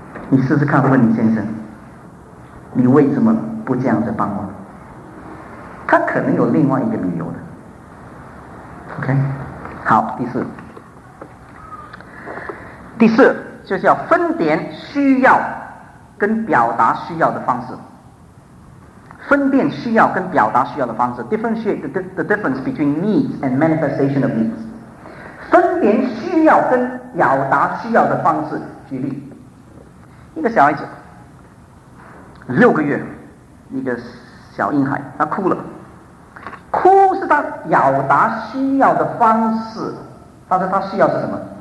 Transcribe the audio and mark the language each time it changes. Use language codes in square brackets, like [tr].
[zh] 你试试看，问你先生，你为什么不这样子帮我？他可能有另外一个理由的。OK， 好，第四就是要分辨需要跟表达需要的方式。分辨需要跟表达需要的方式 [en] differentiate the difference between needs and manifestation of needs。 [zh] 分辨需要跟表达需要的方式，举例，一个小孩子六个月，一个小婴孩，他哭了，哭是他表达需要的方式，但是他需要是什么？